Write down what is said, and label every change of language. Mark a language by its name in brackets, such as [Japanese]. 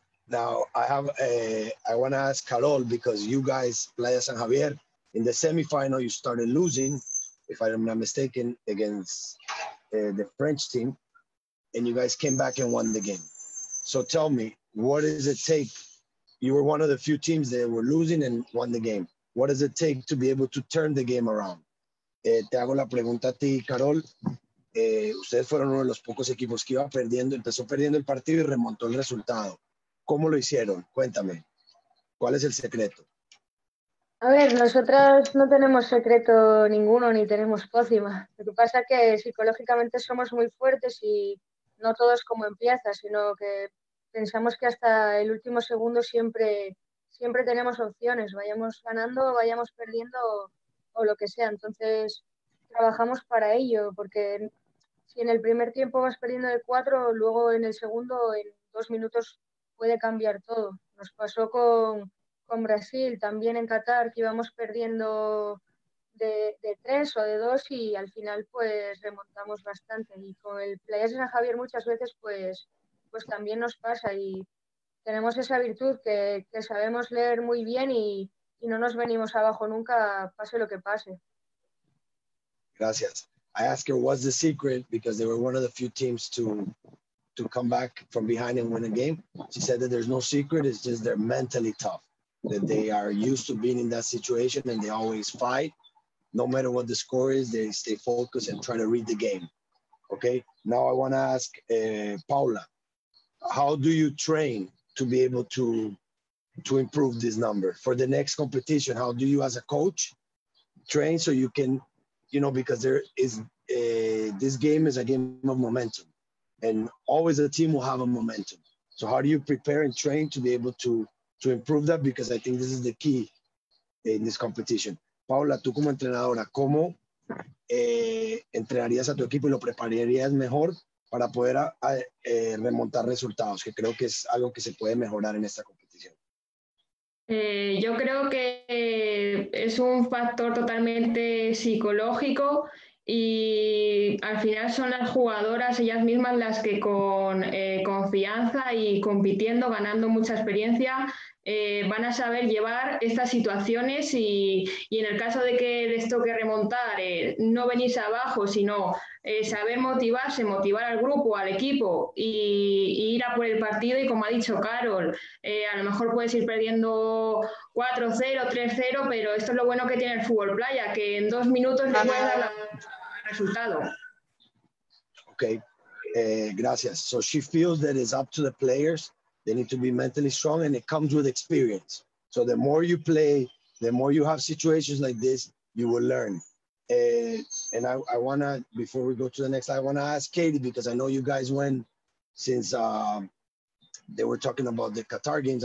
[English] Now, I want to ask Carol, because you guys, Playas and Javier, in the semifinal, you started losing, if I'm not mistaken, against the French team. And you guys came back and won the game. So tell me, what does it take? You were one of the few teams that were losing and won the game. What does it take to be able to turn the game around? [Spanish] Te hago la pregunta a ti, Carol. Ustedes fueron uno de los pocos equipos que iba perdiendo, empezó perdiendo el partido y remontó el resultado. ¿Cómo lo hicieron? Cuéntame. ¿Cuál es el secreto? A ver, nosotras no tenemos secreto ninguno, ni tenemos pócima. Lo que pasa es que psicológicamente somos muy fuertes y no todos como empiezas, sino que pensamos que hasta el último segundo siempre tenemos opciones, vayamos ganando, vayamos perdiendo o lo que sea. Entonces, trabajamos para ello, porque si en el primer tiempo vas perdiendo de 4, luego en el segundo, en 2 minutos, puede cambiar todo. Nos pasó con Brasil, también en Qatar, que íbamos perdiendo de tres o de dos y al final pues remontamos bastante. Y con el Playas de San Javier muchas veces pues también nos pasa y tenemos esa virtud que sabemos leer muy bien y no nos venimos abajo nunca, pase lo que pase. Gracias. [English] I ask her what's the secret because they were one of the few teams to come back from behind and win a game. She said that there's no secret, it's just they're mentally tough, that they are used to being in that situation and they always fight. No matter what the score is, they stay focused and try to read the game. Okay, now I want to ask Paula, how do you train to be able to improve this number? For the next competition, how do you as a coach train so you can, you know, because there is this game is a game of momentum and always a team will have a momentum. So how do you prepare and train to be able to improve that? Because I think this is the key in this competition. [Spanish] Paula, tú como entrenadora, ¿cómo entrenarías a tu equipo y lo prepararías mejor para poder remontar resultados? Que creo que es algo que se puede mejorar en esta competición. Yo creo que es un factor totalmente psicológico y al final son las jugadoras ellas mismas las que con confianza y compitiendo, ganando mucha experiencia, van a saber llevar estas situaciones y en el caso de que les toque remontar, no venirse abajo, sino saber motivarse, motivar al grupo, al equipo y ir a por el partido. Y como ha dicho Carol, a lo mejor puedes ir perdiendo 4-0, 3-0, pero esto es lo bueno que tiene el fútbol playa, que en dos minutos le puedes dar el resultado. Ok, gracias. [English] So she feels that it's up to the players. They need to be mentally strong and it comes with experience. So the more you play, the more you have situations like this, you will learn. And I want to, before we go to the next slide, I want to ask Katie, because I know you guys went since they were talking about the Qatar games.